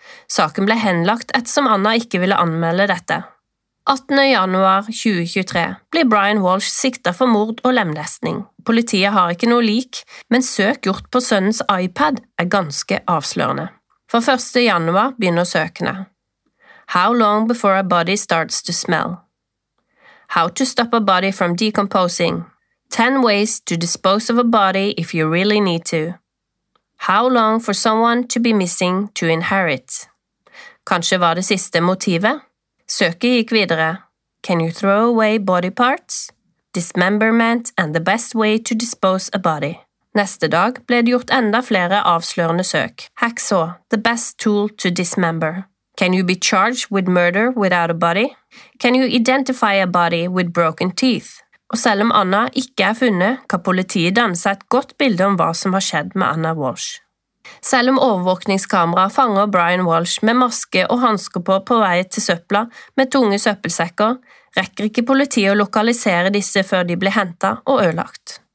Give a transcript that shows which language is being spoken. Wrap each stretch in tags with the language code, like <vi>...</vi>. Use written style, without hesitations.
<no>Saken ble henlagt ettersom Anna ikke ville anmelde dette. 18. januar 2023 blir Brian Welsh siktet for mord og lemlestning. Politiet har ikke noe lik, men søk gjort på sønnens iPad ganske avslørende. For 1. januar begynner søkene.</no> <en>How long before a body starts to smell? How to stop a body from decomposing? 10 ways to dispose of a body if you really need to? How long for someone to be missing to inherit?</en> <no>Kanskje var det siste motivet? Søket gikk videre.</no> <en>Can you throw away body parts? Dismemberment and the best way to dispose a body.</en> <no>Neste dag ble det gjort enda flere avslørende søk.</no> <en>Hacksaw, the best tool to dismember. Can you be charged with murder without a body? Can you identify a body with broken teeth?</en> <no>Og selv om Anna ikke funnet, kan politiet danne seg et godt bilde om hva som har skjedd med Anna Walsh. Selv om overvåkningskamera fanger Brian Walsh med maske og handsker på vei til søpla med tunge søppelsekker, rekker ikke politiet å lokalisere disse før de blir hentet og ødelagt.</no>